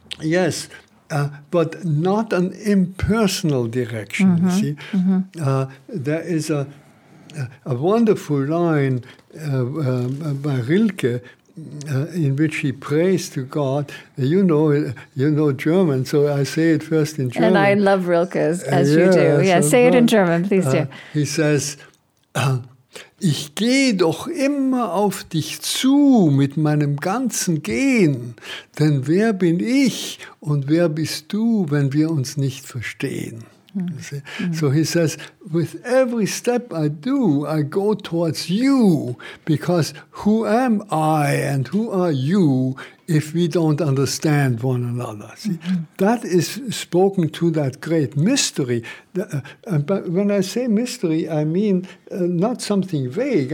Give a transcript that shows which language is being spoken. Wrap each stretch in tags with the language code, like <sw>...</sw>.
<en>Yes, but not an impersonal direction, mm-hmm. see? Mm-hmm. There is a a wonderful line by Rilke, in which he prays to God. You know German, so I say it first in German. And I love Rilke, as you do. Yeah, so say it in German, please do. He says,</en> <de>ich gehe doch immer auf dich zu mit meinem ganzen Gehen, denn wer bin ich und wer bist du, wenn wir uns nicht verstehen? Mm-hmm.</de> <en>So he says, with every step I do, I go towards you, because who am I and who are you if we don't understand one another? See? Mm-hmm. That is spoken to that great mystery. But when I say mystery, I mean not something vague.</en>